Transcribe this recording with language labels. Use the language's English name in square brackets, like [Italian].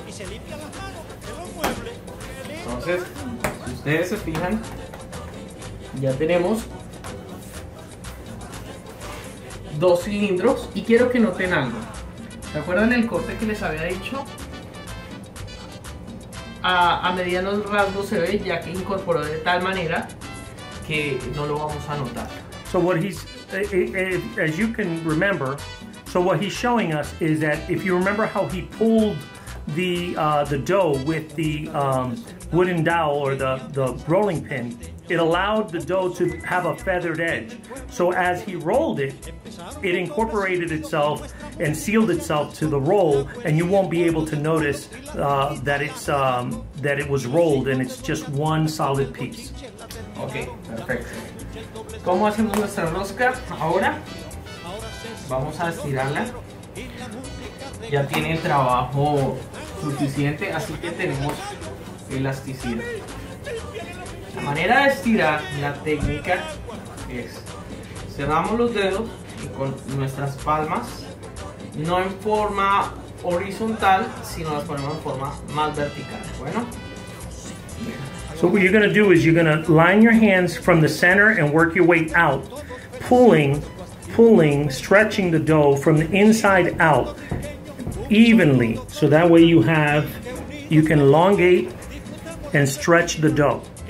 [Spanish] Entonces, si ustedes se fijan, ya tenemos dos cilindros y quiero que noten algo. ¿Se acuerdan el corte que les había dicho? A medianos rasgos se ve, ya que incorporó de tal manera que no lo vamos a notar. [English] So what he's, as you can remember, so what he's showing us is that if you remember how he pulled the dough with the wooden dowel or the rolling pin, it allowed the dough to have a feathered edge. So as he rolled it, it incorporated itself and sealed itself to the roll, and you won't be able to notice that it was rolled and it's just one solid piece. Okay, perfect. [Spanish] ¿Cómo hacemos nuestra rosca? Ahora vamos a estirarla. ya tiene el trabajo suficiente, así que tenemos elasticidad. La manera de estirar, la técnica es, cerramos los dedos y con nuestras palmas, no en forma horizontal, sino las ponemos en forma más vertical. Bueno. [English] So what you're going to do is you're going to line your hands from the center and work your way out, pulling, stretching the dough from the inside out evenly. So that way you can elongate and stretch the dough.